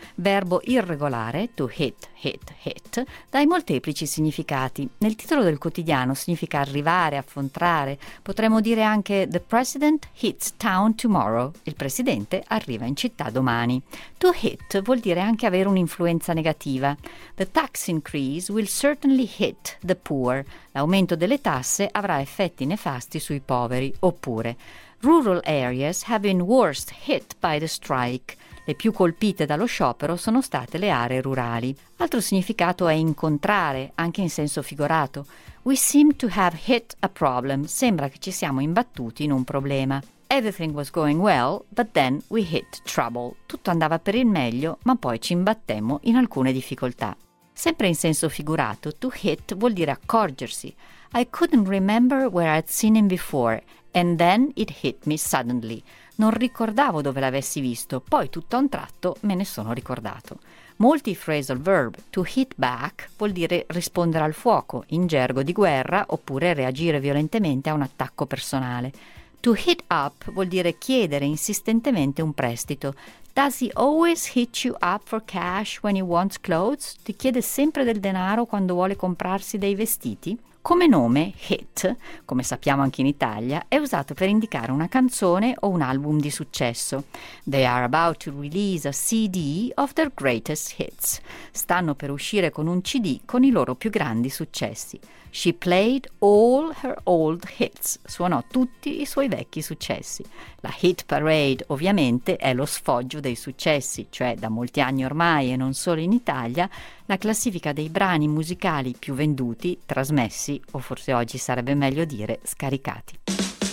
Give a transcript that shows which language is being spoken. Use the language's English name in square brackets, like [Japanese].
[Italian] Verbo irregolare, to hit, dai molteplici significati. Nel titolo del quotidiano significa arrivare, affrontare. Potremmo dire anche [English] the president hits town tomorrow. [Italian] Il presidente arriva in città domani. To hit vuol dire anche avere un'influenza negativa. [English] The tax increase will certainly hit the poor. [Italian] L'aumento delle tasse avrà effetti nefasti sui poveri. [English] Oppure, rural areas have been worst hit by the strike. [Italian] Le più colpite dallo sciopero sono state le aree rurali. Altro significato è incontrare, anche in senso figurato. [English] We seem to have hit a problem. [Italian] Sembra che ci siamo imbattuti in un problema. [English] Everything was going well, but then we hit trouble. [Italian] Tutto andava per il meglio, ma poi ci imbattemmo in alcune difficoltà. Sempre in senso figurato, to hit vuol dire accorgersi. [English] I couldn't remember where I'd seen him before, and then it hit me suddenly. [Italian] Non ricordavo dove l'avessi visto, poi tutto a un tratto me ne sono ricordato. Molti phrasal verb, to hit back, vuol dire rispondere al fuoco, in gergo di guerra, oppure reagire violentemente a un attacco personale. To hit up vuol dire chiedere insistentemente un prestito. [English] Does he always hit you up for cash when he wants clothes? [Italian] Ti chiede sempre del denaro quando vuole comprarsi dei vestiti? Come nome, hit, come sappiamo anche in Italia, è usato per indicare una canzone o un album di successo. [English] They are about to release a CD of their greatest hits. [Italian] Stanno per uscire con un CD con i loro più grandi successi. [English] She played all her old hits. [Italian] Suonò tutti i suoi vecchi successi. La hit parade, ovviamente, è lo sfoggio dei successi, cioè da molti anni ormai e non solo in Italia, la classifica dei brani musicali più venduti, trasmessi, o forse oggi sarebbe meglio dire scaricati.